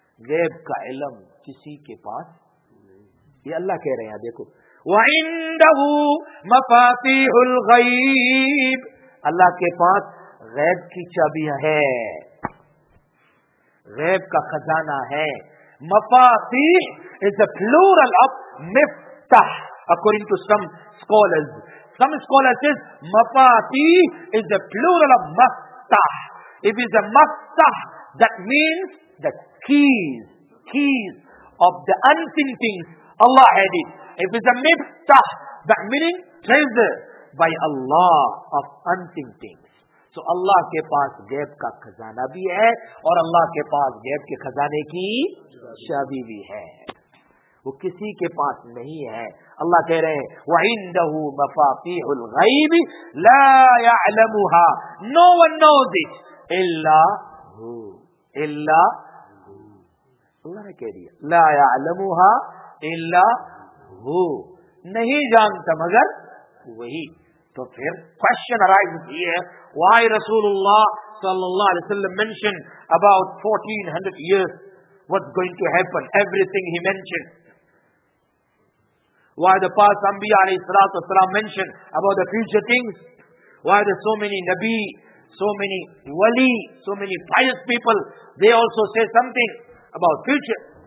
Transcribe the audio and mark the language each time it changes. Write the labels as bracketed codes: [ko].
[ur] غیب کا علم کسی کے پاس نہیں۔ یہ اللہ کہہ رہے ہیں دیکھو، [ar] وَعِنْدَهُ مَفَاتِيحُ الْغَيْبِ، [ur] اللہ کے پاس غیب کی چابی ہے، غیب کا خزانہ ہے۔ [en] مفاتیح is a plural of مفتح according to some scholars. Some scholars says مفاتیح is a plural of مفتح. If it's a مفتح, that means the keys of the unseen things. Allah had it. If it's a مفتح, that meaning treasure by Allah of unseen things. [ur] تو اللہ کے پاس غیب کا خزانہ بھی ہے اور اللہ کے پاس غیب کے خزانے کی چابی بھی ہے، وہ کسی کے پاس نہیں ہے۔ اللہ کہہ رہے ہیں [ar] وَعِنْدَهُ مَفَاتِيحُ الْغَيْبِ لَا يَعْلَمُهَا [en] no one knows it [ur] اللہ نے کہہ دیا [ar] لا يَعْلَمُهَا إِلَّا [en] هُو، [ur] نہیں جانتا مگر وہی۔ تو پھر [en] question arises here, why Rasulullah sallallahu alaihi wasallam mentioned about 1400 years, what's going to happen, everything he mentioned. Why the past Anbiya alayhi salatu wasalam mentioned about the future things. Why there's so many Nabi, so many Wali, so many pious people, they also say something about future.